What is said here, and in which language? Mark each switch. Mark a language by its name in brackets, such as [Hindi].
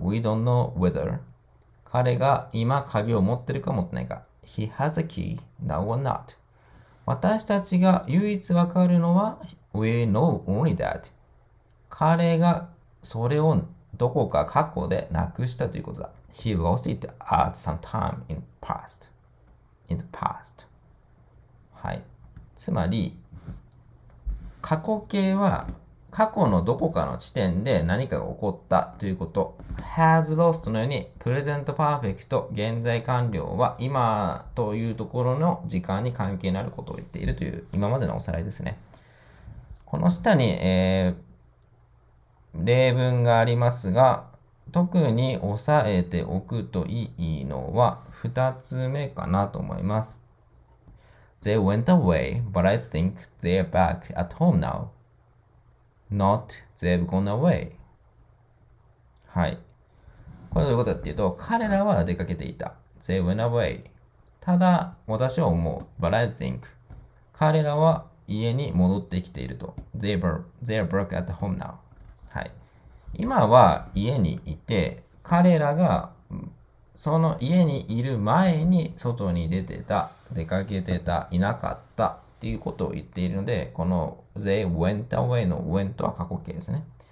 [English] We don't know whether [Japanese] 彼が今鍵を持ってるか持ってないか。 [English] He has a key, now or not. [Japanese] 私たちが唯一わかるのは、 [English] We know only that. [Japanese] 彼がそれをどこか過去でなくしたということだ。 [English] He lost it at some time in the past. In the past. はい。 [Japanese] つまり、過去形は過去のどこかの地点で何かが起こったということ。 has lost のように、プレゼントパーフェクト、現在完了は今というところの時間に関係のあることを言っているという今までのおさらいですね。この下に、例文がありますが、特に押さえておくといいのは2つ目かなと思います。 [English] They went away, but I think they're back at home now. Not they've gone away. はい。 [Japanese] これどういうことだっていうと、彼らは出かけていた。 [English] They went away. [Japanese] ただ、私は思う。 [English] But I think [Japanese] 彼らは家に戻ってきていると。 [English] They're back at home now. [Japanese] はい。今は家にいて、彼らがその家にいる前に外に出てた、出かけてた、いなかったっていうことを言っているので、この [English] they went away [Japanese] の went は過去形ですね。